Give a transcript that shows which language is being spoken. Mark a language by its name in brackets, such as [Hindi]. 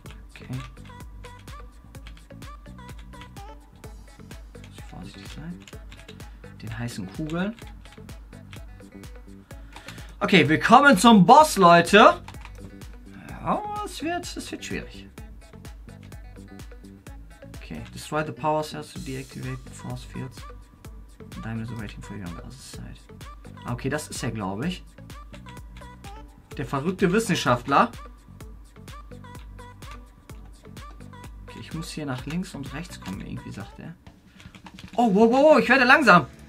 [German] Okay. Muss ich vorsichtig sein. Den heißen Kugeln. Okay, willkommen zum Boss, Leute. Oh, es wird schwierig. [English] Okay, destroy the power cells to deactivate the force fields. Diamonds are waiting for you on the other side. [German] Okay, das ist er, glaube ich. Der verrückte Wissenschaftler. Okay, ich muss hier nach links und rechts kommen, irgendwie sagt er. Oh, wow, wow, wow, ich werde langsam.